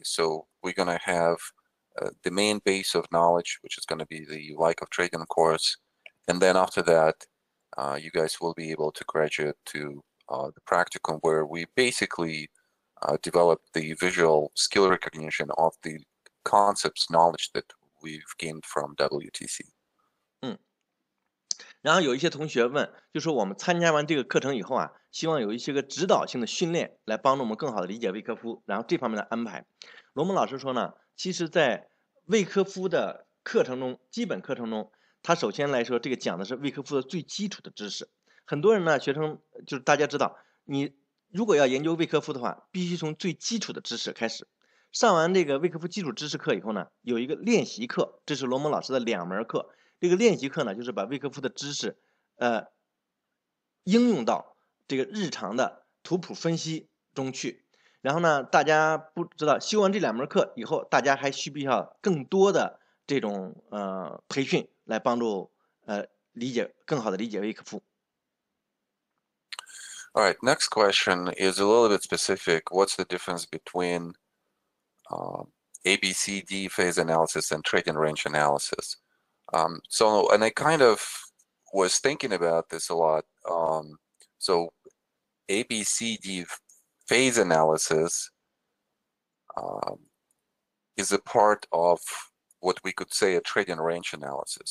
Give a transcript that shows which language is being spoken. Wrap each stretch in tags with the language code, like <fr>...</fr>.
<en>So we're going to have the main base of knowledge, which is going to be the WYKF trading course, and then after that, you guys will be able to graduate to the practicum, where we basically develop the visual skill recognition of the concepts, knowledge that we've gained from WTC.</en> <zh>然后有一些同学问，就说我们参加完这个课程以后啊，希望有一些个指导性的训练来帮助我们更好的理解威科夫，然后这方面的安排。罗蒙老师说呢，其实在威科夫的课程中，基本课程中，他首先来说这个讲的是威科夫的最基础的知识。很多人呢，学生就是大家知道，你如果要研究威科夫的话，必须从最基础的知识开始。上完这个威科夫基础知识课以后呢，有一个练习课，这是罗蒙老师的两门课。这个练习课呢，就是把威科夫的知识，应用到这个日常的图谱分析中去。然后呢，大家不知道修完这两门课以后，大家还需不需要更多的这种培训来帮助理解更好的理解威科夫？</zh> <en>All right, next question is a little bit specific. What's the difference between ABCD phase analysis and trading range analysis? So, and I kind of was thinking about this a lot. So, ABCD phase analysis is a part of what we could say a trading range analysis.</en>